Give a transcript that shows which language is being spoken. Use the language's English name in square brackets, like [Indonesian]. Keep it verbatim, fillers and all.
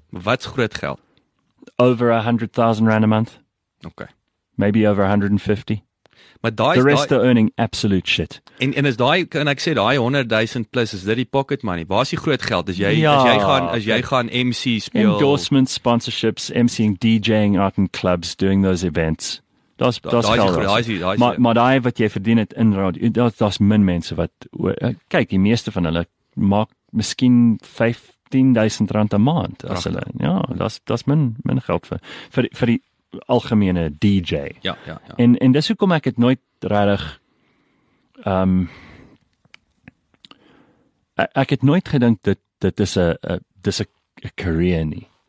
[Afrikaans] Wat's groot geld? [English] Over one hundred thousand rand a month. Okay. Maybe over one hundred fifty. [Afrikaans] Maar daai [English] the rest [Afrikaans] daai, [English] are earning absolute shit. [Afrikaans] En en is daai, kan ek sê daai [English] one hundred thousand plus [Afrikaans] is dit die pocket money. Waar's die groot geld as jy ja, as jy gaan as jy gaan M C speel? [English] Endorsements, sponsorships, MCing, DJing out in clubs, doing those events. [Afrikaans] Daar's da, daar's geld. Daai is daai. Maar maar daai wat jy verdien het in radio, daar's daar's min mense wat kyk, die meeste van hulle maak miskien [English] fifteen thousand rand a [Afrikaans] maand as hulle. Ja, dis dis min min geld vir vir vir die algemene D J. Ja, ja, ja. En en dis hoekom ek het nooit regtig ehm um, ek het nooit gedink dit dit is 'n dis 'n career nie.